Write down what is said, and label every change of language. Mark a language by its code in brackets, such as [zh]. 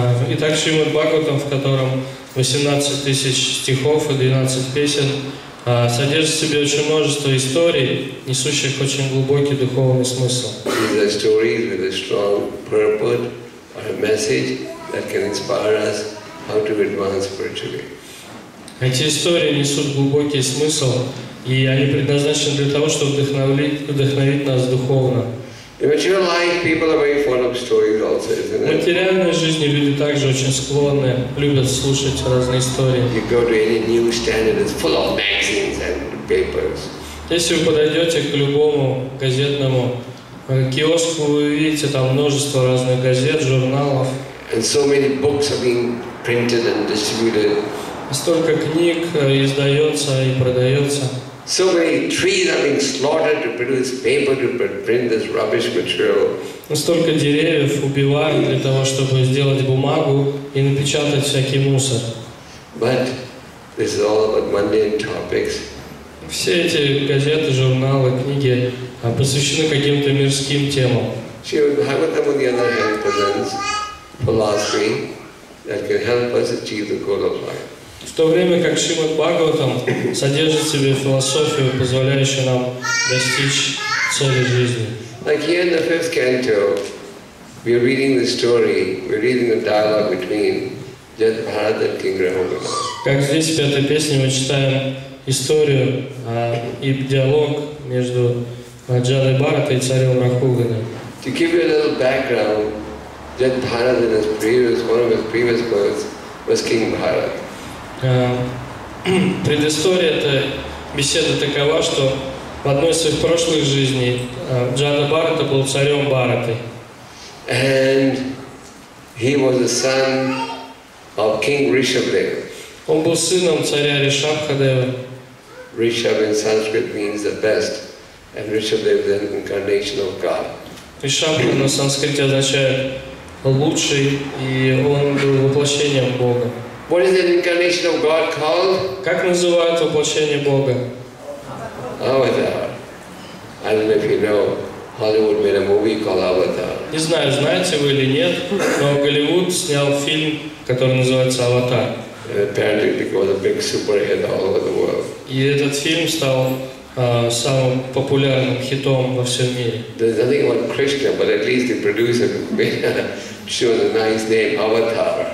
[ru] Итак, Шримад Бхагаватам, в котором 18 тысяч стихов и 12 песен, содержит в себе очень множество историй, несущих очень глубокий духовный смысл. [en] These are stories with a strong purport or a message that can inspire us how to advance spiritually. [ru] Эти истории несут глубокий смысл, и они предназначены для того, чтобы вдохновить нас духовно. [en] In material life, people are very fond of stories also, isn't it? [ru] В материальной жизни люди также очень склонны, любят слушать разные истории. [en] You go to any new stand and it's full of magazines and papers. [ru] Если вы подойдете к любому газетному киоску, вы увидите там множество разных газет, журналов. [en] And so many books are being printed and distributed. [ru] Столько книг издается и продается. [en] So many trees are being slaughtered to produce paper to print this rubbish material. [ru] Столько деревьев убивают для того, чтобы сделать бумагу и напечатать всякий мусор. [en] But this is all about mundane topics. [ru] Все эти газеты, журналы, книги посвящены каким-то мирским темам. [en] Srimad Bhagavatam, on the other hand, presents philosophy that can help us achieve the goal of life. [ru] В то время как Шримад Бхагаватам содержит в себе философию, позволяющую нам достичь цели жизни. [en] Like here in the fifth canto, we are reading the story, we are reading the dialogue between Jatabharata and King Rahul. [ru] Как здесь, в пятой песне, мы читаем историю и диалог между Джатабхартой и царем Рахуганом. [en] To give you a little background, Jatabharata in his previous, one of his previous births was King Bharat. [ru] Предыстория этой беседы такова, что в одной из своих прошлых жизней Джатабхарата был царем Бхараты. [en] And he was the son of King Rishabhadeva. [ru] Он был сыном царя Ришабхадева. [en] Rishabh in Sanskrit means the best, and Rishabhadeva the incarnation of God. [ru] Ришабха на санскрите означает лучший, и он был воплощением Бога. [en] What is the incarnation of God called? [ru] Как называют воплощение Бога? [en] Аватар. I don't know if you know. Hollywood made a movie called Аватар. [ru] Не знаю, знаете вы или нет, но Голливуд снял фильм, который называется Аватар. [en] Apparently it was a big superhit all over the world. [ru] И этот фильм стал самым популярным хитом во всем мире. [en] There's nothing about Krishna, but at least the producer chose a nice name, Avatar.